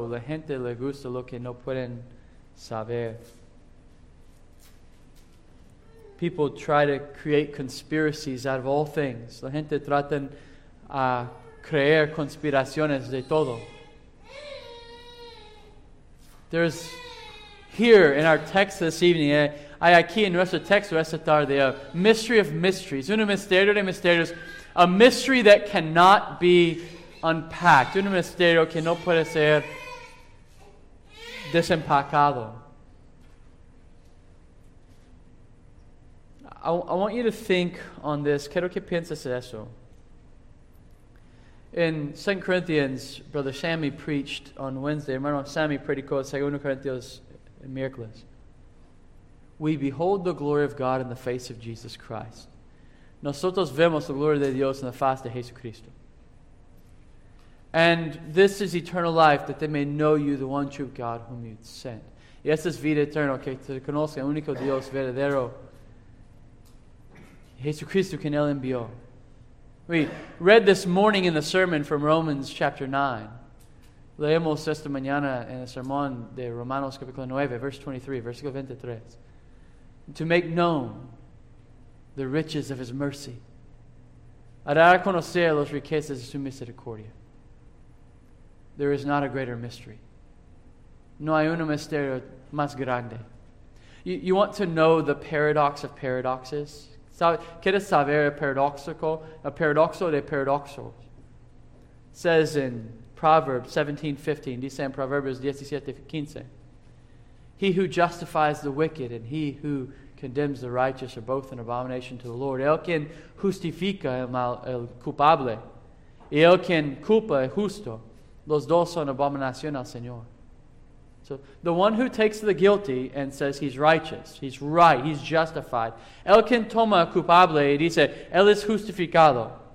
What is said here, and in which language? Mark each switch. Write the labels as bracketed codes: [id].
[es] La gente le gusta lo que no pueden saber. [en] People try to create conspiracies out of all things. [es] La gente tratan a crear conspiraciones de todo. [en] There's here in our text this evening, [es] hay aquí en nuestro texto esta tarde, [en] a mystery of mysteries. [es] Un misterio de misterios. [en] A mystery that cannot be unpacked. [es] Un misterio que no puede ser desempacado. [en] I want you to think on this. [es] Quiero que pienses eso. [en] In 2 Corinthians, Brother Sammy preached on Wednesday. [es] Hermano Sammy predicó 2 Corinthians miércoles. [en] We behold the glory of God in the face of Jesus Christ. [es] Nosotros vemos la gloria de Dios en la faz de Jesucristo. [en] And this is eternal life, that they may know you, the one true God whom you sent. [es] Y esta es vida eterna, que te conozca el único Dios verdadero. Jesucristo quien él envió. [en] We read this morning in the sermon from Romans chapter 9. [es] Leemos esta mañana en el sermón de Romanos capítulo 9, [en] verse 23, [es] versículo 23. [en] To make known the riches of his mercy. [es] A dar a conocer los riquezas de su misericordia. [en] There is not a greater mystery. [es] No hay un misterio más grande. [en] You want to know the paradox of paradoxes? [es] ¿Quieres saber el paradoxico? El paradoxo de paradoxos. [en] Says in Proverbs 17:15, [es] dice en Proverbios 17:15, [en] he who justifies the wicked and he who condemns the righteous are both an abomination to the Lord. [es] El quien justifica el culpable y el quien culpa el justo, los dos son abominación al Señor. [en] So the one who takes the guilty and says he's righteous, he's right, he's justified. [es] El quien toma culpable y dice, él es justificado.